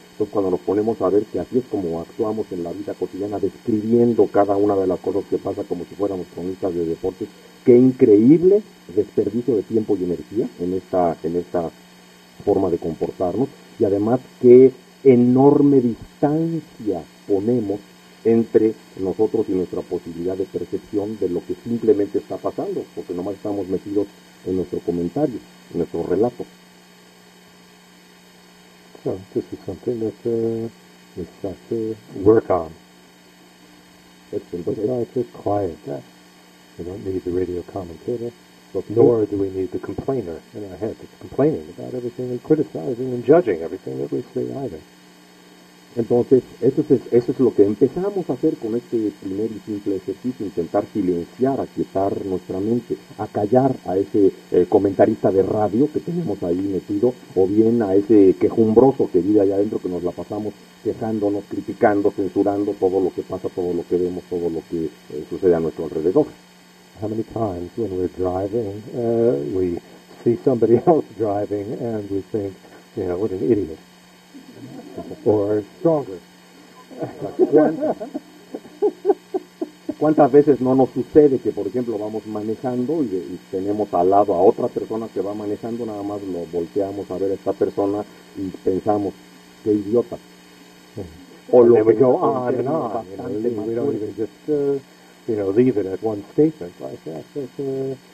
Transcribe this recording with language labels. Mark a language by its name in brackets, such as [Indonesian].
[Spanish] Entonces, cuando nos ponemos a ver que así es como actuamos en la vida cotidiana, describiendo cada una de las cosas que pasa como si fuéramos cronistas de deportes, qué increíble desperdicio de tiempo y energía en esta forma de comportarnos. Y además, qué enorme distancia ponemos entre nosotros y nuestra posibilidad de percepción de lo que simplemente está pasando, porque nomás estamos metidos en nuestro comentario, en nuestro relato. [English] So this is something that we start to work on. [Spanish] Entonces, [English] try to quiet that. We don't need the radio commentator, but nor do we need the complainer in our head that's complaining about everything and criticizing and judging everything that we see either. [Spanish] Entonces, eso es lo que empezamos a hacer con este primer y simple ejercicio, intentar silenciar, aquietar nuestra mente, acallar a ese comentarista de radio que tenemos ahí metido, o bien a ese quejumbroso que vive allá adentro, que nos la pasamos quejándonos, criticando, censurando todo lo que pasa, todo lo que vemos, todo lo que sucede a nuestro alrededor. [English] How many times when we're driving, we see somebody else driving and we think, you know, what an idiot. Or stronger. [Spanish] ¿Cuántas veces no nos sucede que, por ejemplo, vamos manejando y tenemos al lado a otra persona que va manejando, nada más lo volteamos a ver a esta persona y pensamos, qué idiota? O lo que [English] go on and on. You know, we don't even just, you know, leave it at one statement like that.